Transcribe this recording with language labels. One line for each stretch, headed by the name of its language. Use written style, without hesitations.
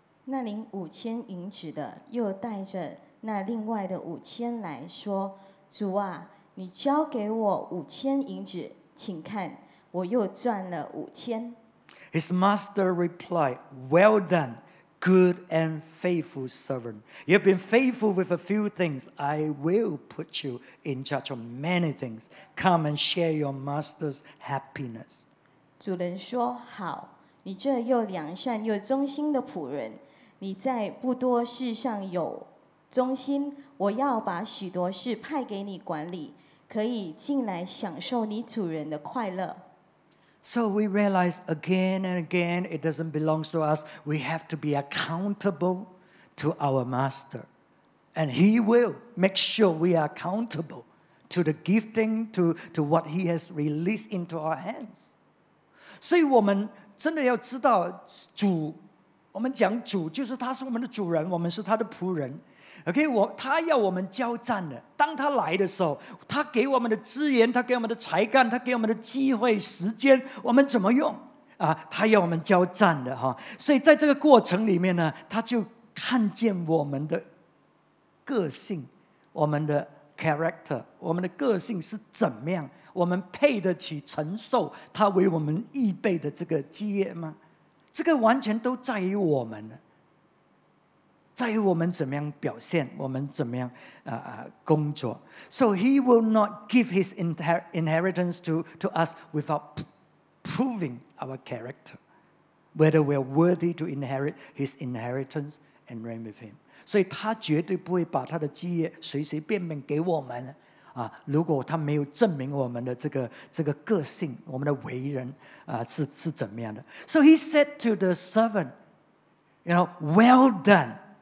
Chinese: 那领五千银子的又带着那另外的五千来说，主啊，你交给我五千银子，请看，我又赚了五千。
English: His master replied, well done, good and faithful servant. You've been faithful with a few things. I will put you in charge of many things. Come and share your master's happiness.
Chinese: 主人说，好，你这又良善又忠心的仆人，你在不多事上有忠心，我要把许多事派给你管理，可以进来享受你主人的快乐。
English: So we realize again and again, it doesn't belong to us. We have to be accountable to our master. And he will make sure we are accountable to the gifting, to what he has released into our hands.
Chinese: 所以我们真的要知道主，我们讲主就是他是我们的主人，我们是他的仆人。 Okay, 他要我们交战的，当他来的时候，他给我们的资源，他给我们的才干，他给我们的机会时间，我们怎么用、啊、他要我们交战的、哦、所以在这个过程里面呢，他就看见我们的个性，我们的 character， 我们的个性是怎么样，我们配得起承受他为我们预备的这个基业吗？这个完全都在于我们了，在于我们怎么样表现，我们怎么样、工作。
English: So he will not give his inheritance to us without proving our character, whether we are worthy to inherit his inheritance and reign with him.
Chinese: 所以他绝对不会把他的基业随随便便给我们、如果他没有证明我们的这个个性，我们的为人、是怎么样的。
English: So he said to the servant, you know, well done.